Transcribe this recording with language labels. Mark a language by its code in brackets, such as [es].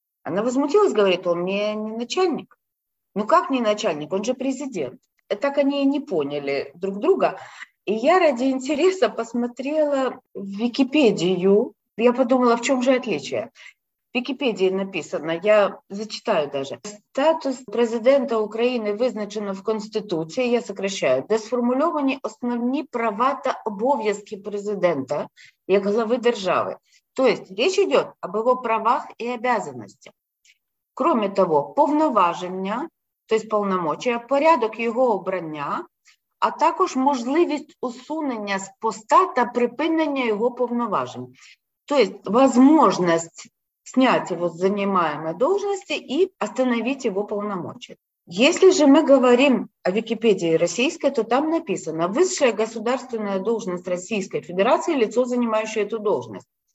[ru] Она возмутилась, говорит, он мне не начальник. Ну как не начальник? Он же президент. Так они и не поняли друг друга. И я ради интереса посмотрела в Википедию. Я подумала, в чем же отличие. В Википедии написано, я зачитаю даже. [uk] Статус президента України визначено в Конституції, [ru] я сокращаю, [uk] де сформульовані основні права та обов'язки президента як глави держави. [ru] То есть речь идет об его правах и обязанностях. Кроме того, [uk] повноваження, [ru] то есть полномочия, [uk] порядок его обрання, а також можливість усунення з поста та припинення його повноважень. [ru] То есть возможность снять его с занимаемой должности и остановить его полномочия. Если же мы говорим о Википедии российской, то там написано «высшая государственная должность Российской Федерации, лицо, занимающее эту должность».